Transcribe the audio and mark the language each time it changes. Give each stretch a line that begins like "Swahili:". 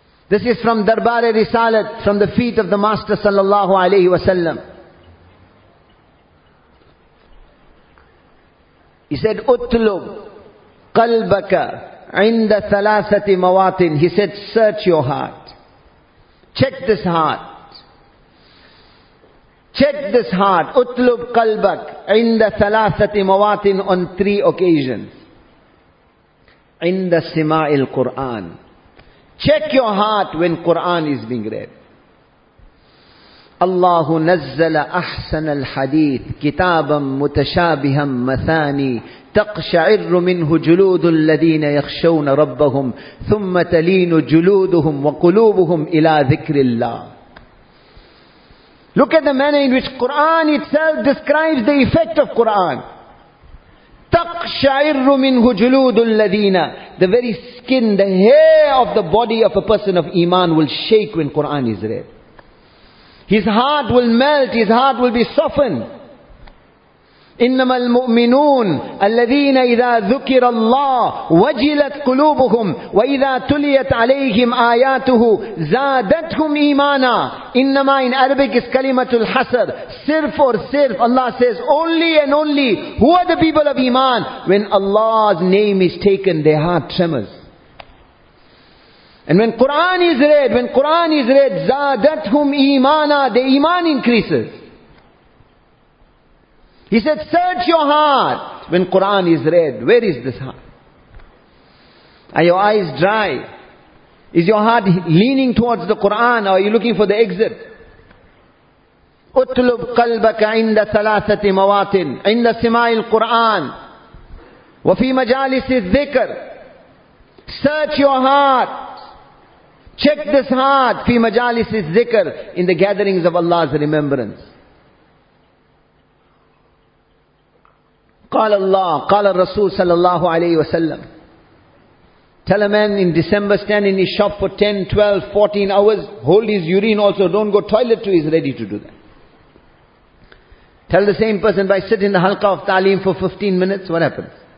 English: This is from Darbar-e Risalat, from the feet of the Master sallallahu alayhi wasallam. He said,
Arabic: "Utlub qalbaka عند ثلاثة مواطن.
English: He said, search your heart. Check this heart. Check this heart.
Arabic: اطلب قلبك عند ثلاثة مواطن
English: on three occasions.
Arabic: عند سماع القرآن.
English: Check your heart when Quran is being read.
Arabic: الله نزل أحسن الحديث كتابا متشابها مثاني تقشعر منه جلود الذين يخشون ربهم ثم تلين جلودهم وقلوبهم إلى ذكر الله.
English: Look at the manner in which Quran itself describes the effect of Quran.
Arabic: تقشعر منه جلود الذين.
English: The very skin, the hair of the body of a person of Iman will shake when Quran is read. His heart will melt, his heart will be softened.
Arabic: إنما المؤمنون الذين إذا ذكر الله وجلت قلوبهم وإذا تليت عليهم آياته زادتهم إيمانا. إنما
English: in Arabic is
Arabic: كلمة الحسر, صرف or صرف.
English: Allah says only and only who are the people of Iman. When Allah's name is taken, their heart tremors. And when Quran is read,
Arabic: زادتهم إيمانا,
English: their Iman increases. He said, search your heart when Quran is read. Where is this heart? Are your eyes dry? Is your heart leaning towards the Quran or are you looking for the exit?
Arabic: اطلب قلبك عند ثلاثة مواطن عند سماع القرآن وفي مجالس الذكر.
English: Search your heart. Check this heart.
Arabic: في مجالس الذكر,
English: in the gatherings of Allah's remembrance.
Arabic: قال الله قال الرسول صلى الله عليه وسلم.
English: Tell a man in December, stand in his shop for 10, 12, 14 hours, hold his urine also, don't go toilet till he's ready to do that. Tell the same person, by sit in the halqa of ta'lim for 15 minutes, what happens?